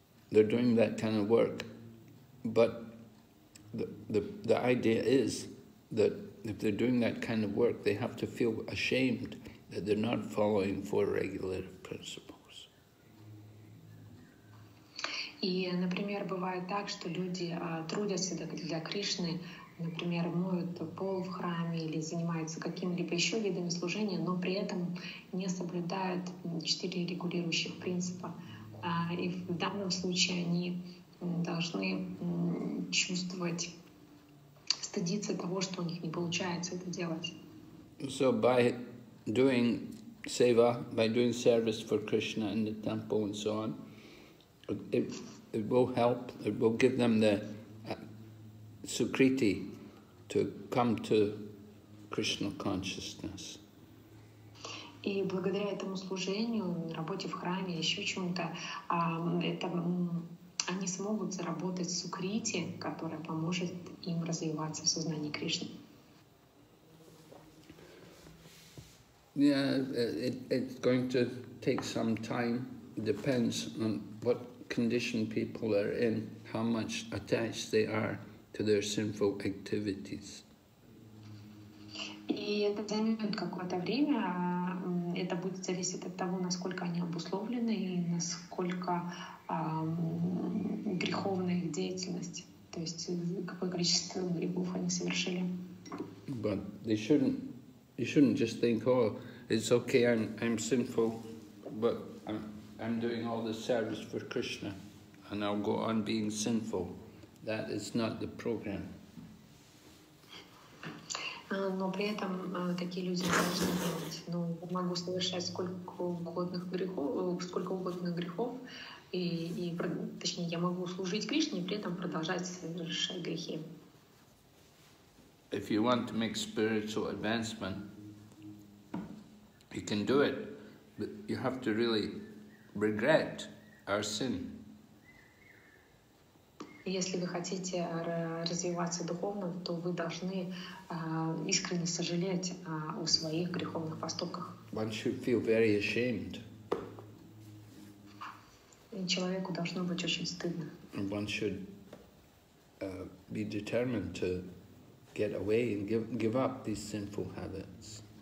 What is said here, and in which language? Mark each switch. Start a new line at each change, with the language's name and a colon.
English: They're doing that kind of work. But the idea is that if they're doing that kind of work, they have to feel ashamed that they're not following four regulative principles.
Russian: И, например, бывает так, что люди трудятся для Кришны, например, моют пол в храме или занимаются каким-либо еще видом служения, но при этом не соблюдают четыре регулирующих принципа. И в данном случае они должны чувствовать, стыдиться того, что у них не получается это делать.
English: So by doing seva, by doing service for Krishna in the temple and so on, it will help, it will give them the Sukriti to come to Krishna consciousness.
Russian: И благодаря этому служению, работе в храме, еще чему-то, это они смогут заработать сукрити, которая поможет им развиваться в сознании Кришны.
English: Yeah, it's going to take some time. Depends on what condition people are in, how much attached they are to their sinful activities.
Russian: И это займет какое-то время. Это будет зависеть от того, насколько они обусловлены и насколько греховная их деятельность, то есть какое количество грехов они совершили.
English: But you shouldn't just think, oh, it's okay, I'm sinful, but I'm doing all the service for Krishna, and I'll go on being sinful. That is not the program.
Russian: Но при этом такие люди должны думать, ну, могу совершать сколько угодно грехов, и точнее, я могу служить Кришне, при этом продолжать совершать грехи.
English: If you want to make spiritual advancement, you can do it, but you have to really regret our sin.
Russian: Если вы хотите развиваться духовно, то вы должны искренне сожалеть о своих греховных поступках.
English: One should feel very ashamed.
Russian: И человеку должно быть очень стыдно.
English: And one should be determined to get away and give up these sinful habits.